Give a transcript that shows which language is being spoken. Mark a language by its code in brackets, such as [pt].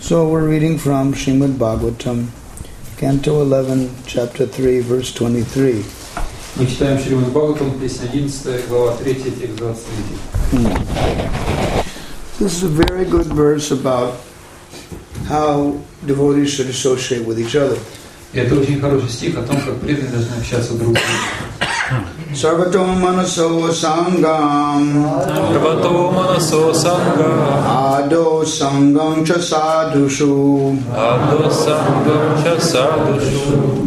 [en] So we're reading from Srimad Bhagavatam, Canto 11, Chapter 3, Verse 23. [ru] Мы читаем Шримад Бхагаватам, песня 11, глава 3, текст 23. [en] This is a very good verse about how devotees should associate with each other. [ru] Это очень хороший стих о том, как преданные должны общаться друг с другом. [sa] Sarvato manaso sangam. Sarvato manaso sangam. Ado sangam cha sadhusu. Ado sangam cha sadhusu.